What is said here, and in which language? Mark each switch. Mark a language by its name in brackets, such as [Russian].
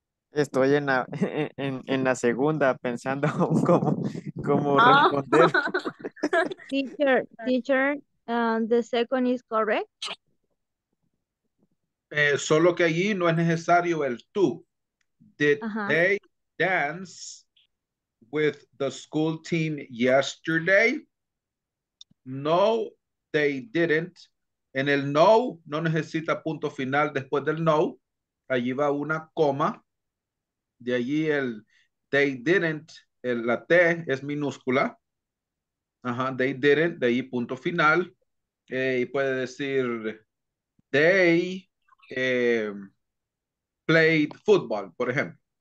[Spanish] Estoy en la segunda pensando cómo responder. [English] Teacher, the second is correct. [Spanish] Solo que allí no es necesario el tú. [English] Did they dance with the school team yesterday? No, they didn't. [Spanish] En el no, no necesita punto final después del no. Allí va una coma. De allí el [English] they didn't, [Spanish] la T es minúscula. Ajá, [English] they didn't, [Spanish] de ahí punto final. Y puede decir [English] they played football, [Spanish] por ejemplo.